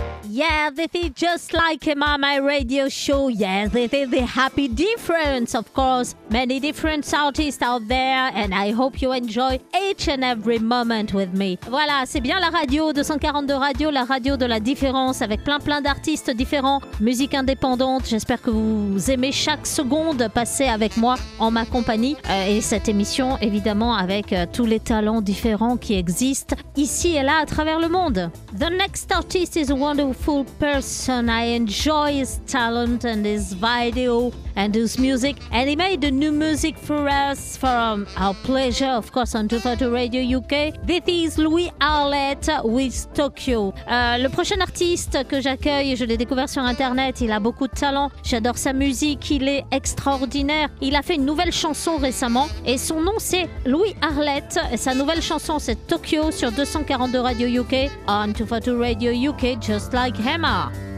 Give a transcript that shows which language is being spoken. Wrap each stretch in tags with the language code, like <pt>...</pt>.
<en>Yeah, this is just like him on my radio show. Yeah, this is the happy difference. Of course, many different artists out there, and I hope you enjoy each and every moment with me.</en> <fr>Voilà, c'est bien la radio, 242 Radio, la radio de la différence, avec plein d'artistes différents, musique indépendante. J'espère que vous aimez chaque seconde passée avec moi, en ma compagnie, et cette émission, évidemment, avec tous les talents différents qui existent ici et là, à travers le monde.</fr> <en>The next artist is wonderful. Full person. I enjoy his talent and his video and his music, and he made the new music for us, for our pleasure, of course, on 242 Radio UK. This is Louis ARLETTE with Tokyo.</en> <fr>Le prochain artiste que j'accueille, je l'ai découvert sur internet, il a beaucoup de talent, j'adore sa musique, il est extraordinaire. Il a fait une nouvelle chanson récemment et son nom c'est Louis ARLETTE, et sa nouvelle chanson c'est Tokyo sur 242 Radio UK, on 242 Radio UK, just like Emma.</fr>